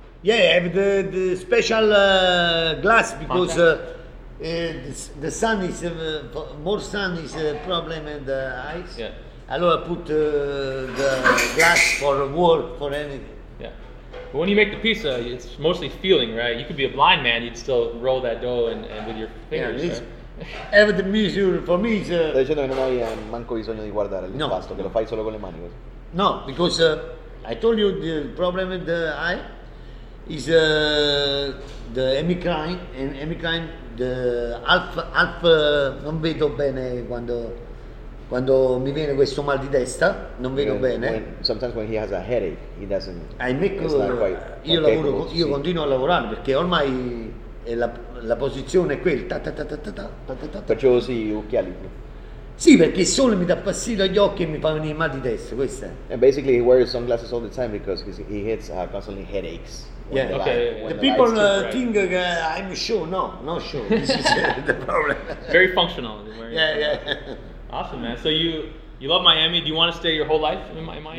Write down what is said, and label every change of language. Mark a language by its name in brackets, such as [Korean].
[English] Yeah, I have the special glass because the sun is, more sun is a problem in the eyes. Yeah. Allora, put the glass for work, for anything. But when you make the pizza, it's mostly feeling, right? You could be a blind man, you'd still roll that dough and with your fingers. Yeah, everything measure for me is. [Italian] Stai dicendo che non hai manco bisogno di guardare l'impasto, che lo fai solo con le mani. [English] No, because I told you the problem with the eye is the hemicrine, and hemicrine, the half [Italian] non vedo bene quando mi viene questo mal di testa, non vedo bene. [English] Sometimes when he has a headache, he doesn't. I make [Italian] io lavoro, io continuo a lavorare perché ormai la posizione è quella. Perciò usi gli occhiali. Sì, perché il sole mi dà fastidio agli occhi e mi fa venire mal di testa, questo. [English] And basically, he wears sunglasses all the time because he hits constantly headaches. Yeah. Okay. The people think I'm sure. No, not sure. This is the problem. Very functional. Yeah. Awesome, man. So you love Miami. Do you want to stay your whole life in Miami?